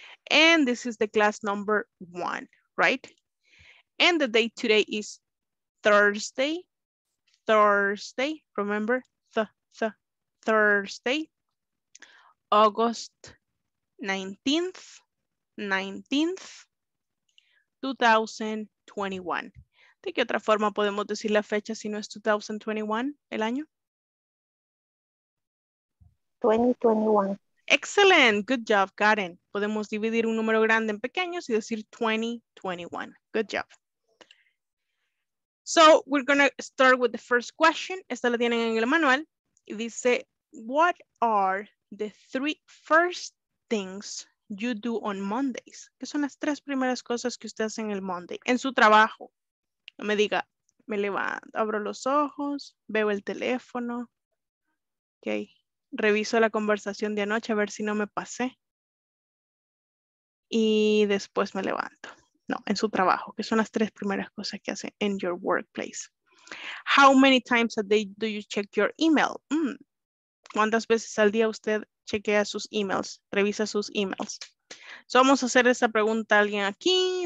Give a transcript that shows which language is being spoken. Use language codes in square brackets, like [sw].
[en] And this is the class number one, right? And the day today is Thursday, Thursday, remember, Thursday, August 19th, 2021. [es] ¿De qué otra forma podemos decir la fecha si no es 2021, el año? 2021. [en] Excellent, good job, Karen. [es] Podemos dividir un número grande en pequeños y decir 2021. [en] Good job. So, we're going to start with the first question. [es] Esta la tienen en el manual. Y dice, [en] what are the three first things you do on Mondays? [es] ¿Qué son las tres primeras cosas que usted hace en el Monday? En su trabajo. No me diga, me levanto, abro los ojos, veo el teléfono. Ok. Reviso la conversación de anoche a ver si no me pasé. Y después me levanto. No, en su trabajo, que son las tres primeras cosas que hace en [en] your workplace. How many times a day do you check your email? [es] ¿Cuántas veces al día usted chequea sus emails, revisa sus emails? So vamos a hacer esta pregunta a alguien aquí.